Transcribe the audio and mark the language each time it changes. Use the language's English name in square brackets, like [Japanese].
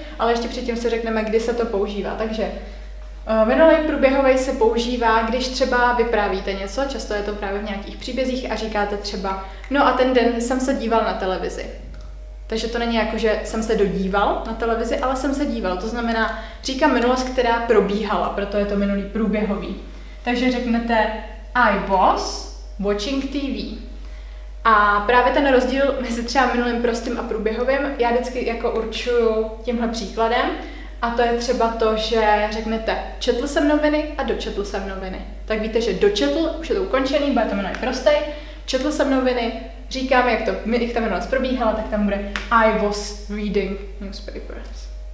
[Czech] Ale ještě předtím se řekneme, kdy se to používá. Takže minulý průběhovej se používá, když třeba vyprávíte něco, často je to právě v nějakých příbězích a říkáte třeba no a ten den jsem se díval na televizi. Takže to není jako, že jsem se dodíval na televizi, ale jsem se díval. To znamená, říká minulost, která probíhala, proto je to minulý průběhový. Takže řeknete [English] I was watching TV. [Czech] A právě ten rozdíl mezi třeba minulým prostým a průběhovým já vždycky jako určuju tímhle příkladem. A to je třeba to, že řeknete četl jsem noviny a dočetl jsem noviny. Tak víte, že dočetl, už je to ukončený, bude to minulý prostý. Četl jsem noviny, říkám, jak ta minulost probíhala, tak tam bude [English] I was reading newspapers.